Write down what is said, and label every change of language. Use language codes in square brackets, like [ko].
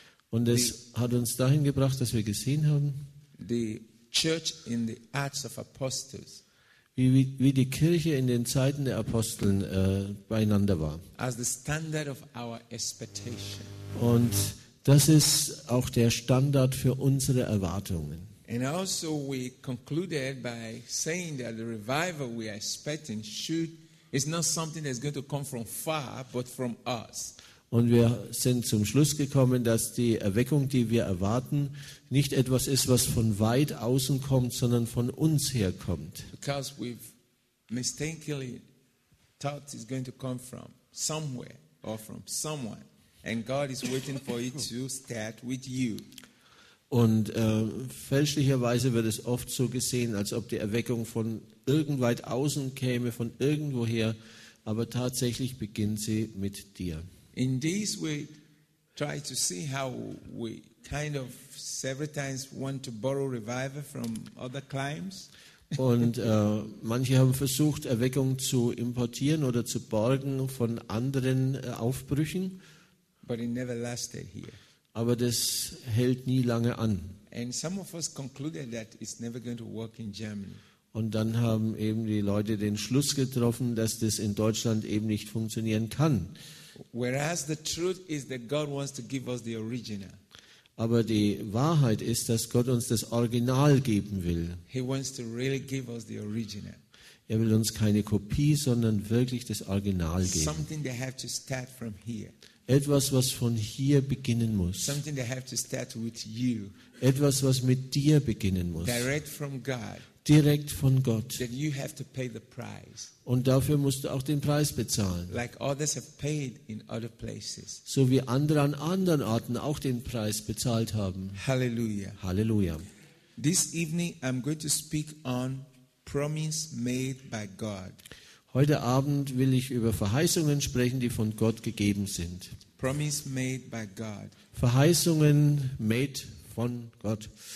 [de] Und es hat uns dahin gebracht, dass wir gesehen haben, [en] the church in the Acts of Apostles, [de] wie die Kirche in den Zeiten der Aposteln beieinander war. [en] As the standard of our expectation. [de] Und das ist auch der Standard für unsere Erwartungen. [en] And also we concluded by saying that the revival we are expecting should is not something that's going to come from far, but from us. [de] Und wir sind zum Schluss gekommen, dass die Erweckung, die wir erwarten, nicht etwas ist, was von weit außen kommt, sondern von uns her kommt. [en] Because we've mistakenly thought it's going to come from somewhere or from someone, and God is waiting for it to start with you. [de] Und fälschlicherweise wird es oft so gesehen, als ob die Erweckung von irgendweit außen käme, von irgendwoher, aber tatsächlich beginnt sie mit dir. [en] In this we try to see how we kind of several times want to borrow revival from other climes. [de] Und manche haben versucht, Erweckung zu importieren oder zu borgen von anderen Aufbrüchen. [en] But it never lasted here. [de] Aber das hält nie lange an. [en] And some of us concluded that it's never going to work in Germany. [de] Und dann haben eben die Leute den Schluss getroffen, dass das in Deutschland eben nicht funktionieren kann. [en] Whereas the truth is that God wants to give us the original. [de] Aber die Wahrheit ist, dass Gott uns das Original geben will. [en] He wants to really give us the original. [de] Er will uns keine Kopie, sondern wirklich das Original geben. [en] Something they have to start from here. [de] Etwas, was von hier beginnen muss. [en] Something they have to start with you. [de] Etwas, was mit dir beginnen muss. [en] Direct from God. [de] Direkt von Gott. [en] That you have to pay the price. [de] Und dafür musst du auch den Preis bezahlen. [en] Like others have paid in other places. [de] So wie andere an anderen Orten auch den Preis bezahlt haben. [en] Halleluja. [de] Halleluja. [en] This evening I'm going to speak on promise made by God. [de] Heute Abend will ich über Verheißungen sprechen, die von Gott gegeben sind. [en] Promise made by God. [de] Verheißungen made von Gott.